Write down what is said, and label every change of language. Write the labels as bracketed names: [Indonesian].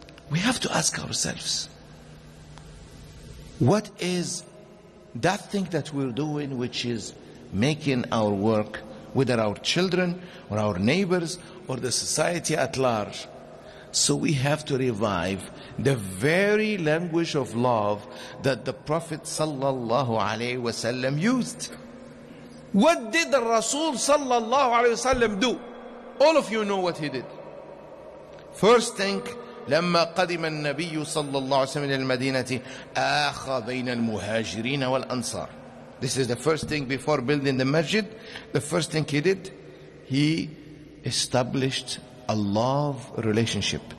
[English] We have to ask ourselves, what is that thing that we're doing which is making our work, whether our children or our neighbors or the society at large? So we have to revive the very language of love that the Prophet sallallahu alaihi wasallam used. What did the Rasul sallallahu alaihi wasallam do? All of you know what he did. First thing, [Arabic] لما قدم النبي صلى الله عليه وسلم للمدينة آخى بين المهاجرين والأنصار. [English] This is the first thing before building the masjid. The first thing he did, he established a love relationship.